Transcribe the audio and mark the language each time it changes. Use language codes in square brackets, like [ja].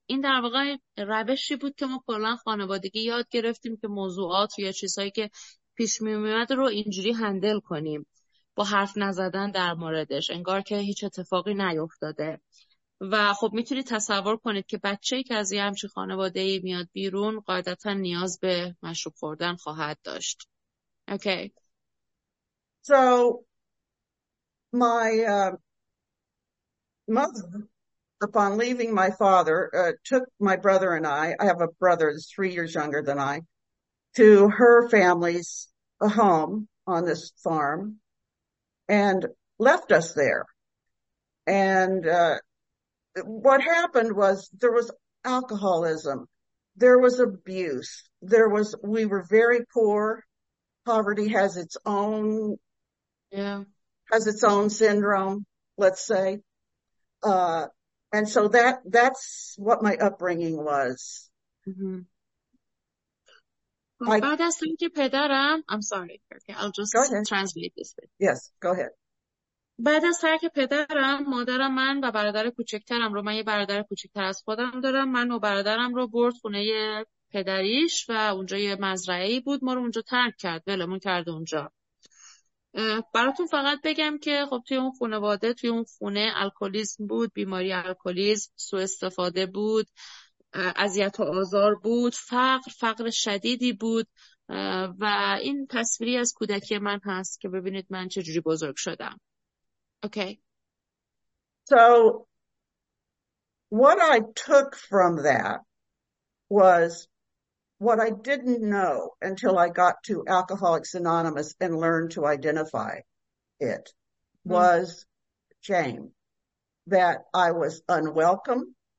[fa] این در واقع روشی بود که ما کلا خانوادگی یاد گرفتیم که موضوعات یا چیزهایی که پیش می اومد رو اینجوری هندل کنیم، با حرف نزدن در موردش، انگار که هیچ اتفاقی نیفتاده. و خب میتونید تصور کنید که بچه‌ای که از یه همچین خانواده‌ای میاد بیرون قاعدتا نیاز به مشروب خوردن خواهد داشت. [en] Okay. So my mother, upon leaving my father, took my brother and I have a brother that's 3 years younger than I, to her family's home on this farm, and left us there. And what happened was there was alcoholism. There was abuse. We were very poor. Poverty has its own syndrome, let's say. And so that's what my upbringing was. [fa] بعد از اینکه پدرم [en] I'm sorry, okay, I'll just go ahead. translate this bit. Yes, go ahead. [fa] بعد از ترک پدرم مادرم من و برادر کوچکترم رو، من یه برادر کوچکتر از خودم دارم، من و برادرم رو برد خونه پدریش و اونجا یه مزرعه‌ای بود، ما رو اونجا ترک کرد، ولمون کرد اونجا. براتون فقط بگم که خب توی اون خانواده، توی اون خونه الکلیسم بود، بیماری الکلیسم، سوء استفاده بود، اذیت و آزار بود، فقر، فقر شدیدی بود و این تصویری از کودکی من هست که ببینید من چجوری بزرگ شدم. [en] Okay. So what I took from that was what I didn't know until I got to Alcoholics Anonymous and learned to identify it was shame, that I was unwelcome.